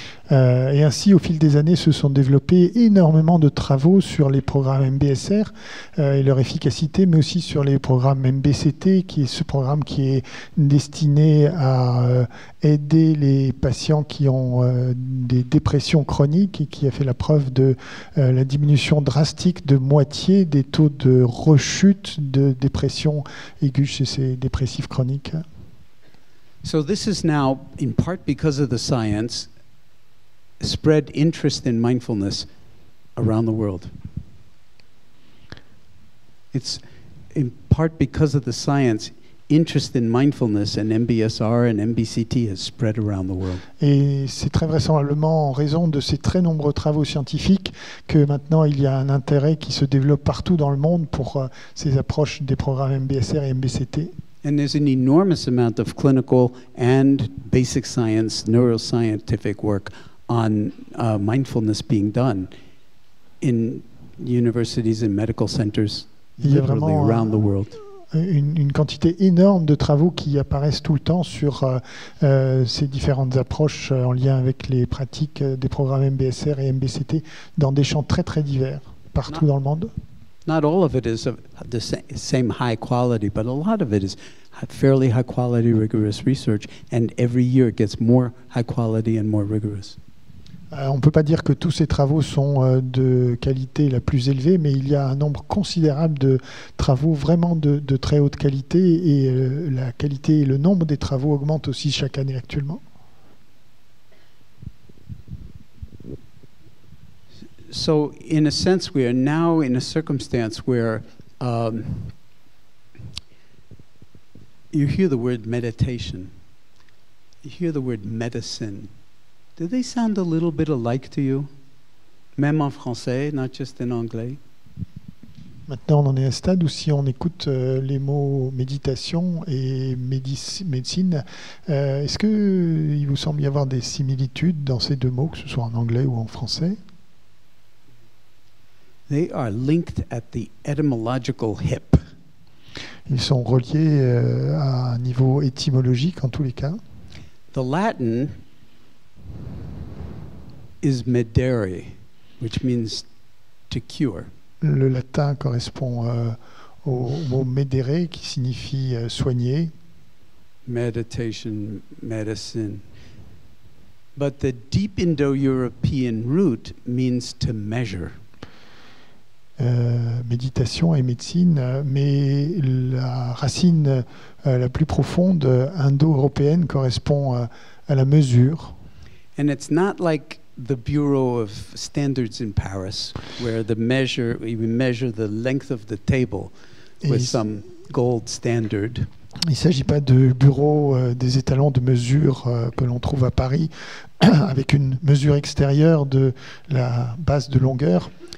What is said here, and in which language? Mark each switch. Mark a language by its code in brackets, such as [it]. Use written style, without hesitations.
[fr] Et ainsi, au fil des années, se sont développés énormément de travaux sur les programmes MBSR et leur efficacité, mais aussi sur les programmes MBCT, qui est ce programme qui est destiné à aider les patients qui ont des dépressions chroniques et qui a fait la preuve de la diminution drastique de moitié des taux de rechute de dépression aiguë chez ces dépressifs chroniques. [en] So this is now, in part because of the science, spread interest in mindfulness around the world. It's in part because of the science, interest in mindfulness and MBSR and MBCT has spread around the world. [fr] Et c'est très vraisemblablement en raison de ces très nombreux travaux scientifiques que maintenant il y a un intérêt qui se développe partout dans le monde pour ces approches des programmes MBSR et MBCT. [en] And there's an enormous amount of clinical and basic science, neuroscientific work on mindfulness being done in universities and medical centers, literally around the world. [fr] une quantité énorme de travaux qui apparaissent tout le temps sur ces différentes approches en lien avec les pratiques des programmes MBSR et MBCT dans des champs très très divers partout dans le monde. [en] Not all of it is of the same high quality, but a lot of it is fairly high quality, rigorous research, and every year it gets more high quality and more rigorous. [fr] On ne peut pas dire que tous ces travaux sont de qualité la plus élevée, mais il y a un nombre considérable de travaux vraiment de très haute qualité, et la qualité et le nombre des travaux augmentent aussi chaque année actuellement. [en] So, in a sense, we are now in a circumstance where you hear the word meditation, you hear the word medicine. Do they sound a little bit alike to you? [fr] Même en français, [en] not just in [fr] anglais. Maintenant, on en est à un stade où si on écoute les mots méditation et médecine, est-ce qu'il vous semble y avoir des similitudes dans ces deux mots, que ce soit en anglais ou en français? [en] They are linked at the etymological hip. [fr] Ils sont reliés à un niveau étymologique en tous les cas. [en] The Latin is medere, which means to cure. [fr] Le latin correspond au mot medere, qui signifie soigner. [en] Meditation, medicine. But the deep Indo-European root means to measure. [fr] Méditation et médecine, mais la racine la plus profonde indo-européenne correspond à la mesure. [en] And it's not like the Bureau of Standards in Paris, where we measure the length of the table with some gold standard. [fr] Il ne s'agit pas du bureau des étalons de mesure que l'on trouve à Paris, avec une mesure extérieure de la base de longueur.